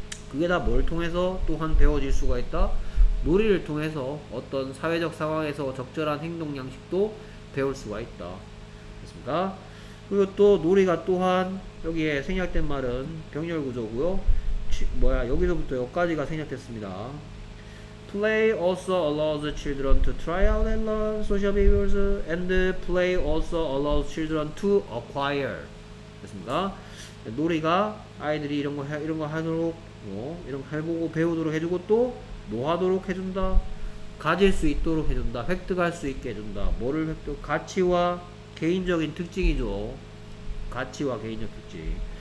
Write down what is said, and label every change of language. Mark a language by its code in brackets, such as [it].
[ko] 그게 다 뭘 통해서 또한 배워질 수가 있다? 놀이를 통해서 어떤 사회적 상황에서 적절한 행동 양식도 배울 수가 있다. 됐습니까? 그리고 또 놀이가 또한 여기에 생략된 말은 병렬 구조고요. 뭐야 여기서부터 여기까지가 생략됐습니다. [en] Play also allows children to try out and learn social behaviors and play also allows children to acquire. [ko] 됐습니다. 놀이가 아이들이 이런 거 하도록 뭐 이런 거 해보고 배우도록 해주고 또 뭐 하도록 해준다? 가질 수 있도록 해준다. 획득할 수 있게 해준다. 뭐를 획득? 가치와 개인적인 특징이죠. 가치와 개인적 특징.